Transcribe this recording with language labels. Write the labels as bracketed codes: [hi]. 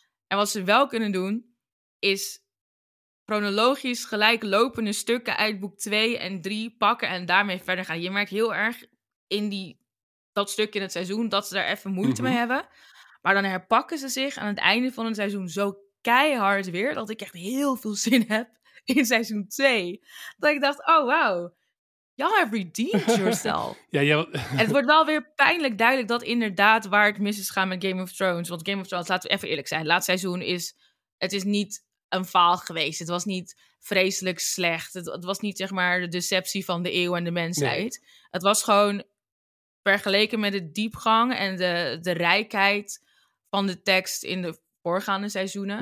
[nl] En wat ze wel kunnen doen, is chronologisch gelijk lopende stukken uit boek 2 en 3 pakken en daarmee verder gaan. Je merkt heel erg in dat stukje in het seizoen dat ze daar even moeite mee hebben. Maar dan herpakken ze zich aan het einde van het seizoen zo keihard weer, dat ik echt heel veel zin heb in seizoen 2. Dat ik dacht, oh wauw. [en] Y'all have redeemed yourself. [nl] En het wordt wel weer pijnlijk duidelijk dat inderdaad waar het mis is gaan met Game of Thrones. Want Game of Thrones, laten we even eerlijk zijn, laatste seizoen is niet een faal geweest. Het was niet vreselijk slecht. Het was niet zeg maar de deceptie van de eeuw en de mensheid. Nee. Het was gewoon vergeleken met de diepgang en de rijkheid van de tekst in de voorgaande seizoenen.